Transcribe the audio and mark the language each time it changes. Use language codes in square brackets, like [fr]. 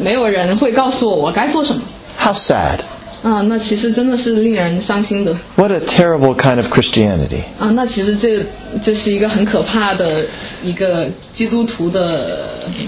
[zh] 他们代表着就是没有人会告诉我我该做什么。 [en] How sad. [zh] 那其实真的是令人伤心的。 [en] What a terrible kind of Christianity. [zh] 那其实这是一个很可怕的一个基督徒的。